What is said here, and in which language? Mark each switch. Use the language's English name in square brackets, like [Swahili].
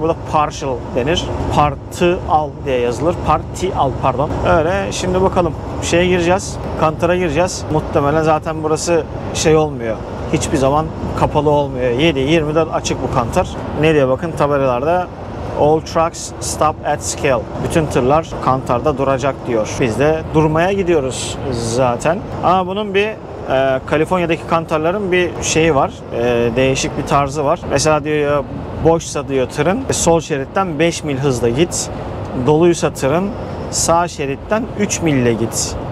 [Turkish] Burada partial denir. Partial diye yazılır. Partial pardon. Öyle şimdi bakalım. Şeye gireceğiz. Kantara gireceğiz. Muhtemelen zaten burası şey olmuyor. Hiçbir zaman kapalı olmuyor. 7-24 açık bu kantar. Ne diye bakın tabelalarda [English] All trucks stop at scale. [Turkish] Bütün tırlar kantarda duracak diyor. Biz de durmaya gidiyoruz zaten. Ama bunun bir Kaliforniya'daki kantarların bir şeyi var. Değişik bir tarzı var. Mesela diyor boşsa diyor tırın sol şeritten 5 mil hızla git. Doluysa tırın sağ şeritten 3 mille git.